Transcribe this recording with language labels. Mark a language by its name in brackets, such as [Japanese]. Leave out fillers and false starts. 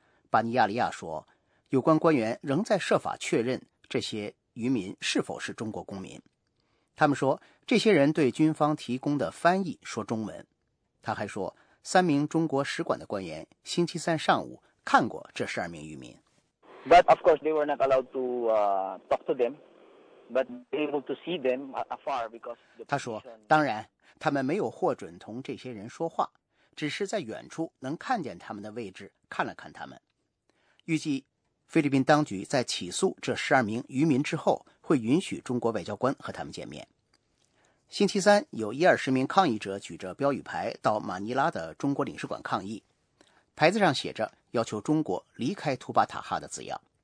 [Chinese] 巴尼亚利亚说，有关官员仍在设法确认这些渔民是否是中国公民。他们说，这些人对军方提供的翻译说中文。他还说，三名中国使馆的官员星期三上午看过这12名渔民。 [English] But of course they were not allowed to talk to them, but able to see them afar because. [Chinese] 他说，当然，他们没有获准同这些人说话，只是在远处能看见他们的位置，看了看他们。预计菲律宾当局在起诉这12名渔民之后，会允许中国外交官和他们见面。星期三，有10-20名抗议者举着标语牌到马尼拉的中国领事馆抗议，牌子上写着要求中国离开图巴塔哈的字样。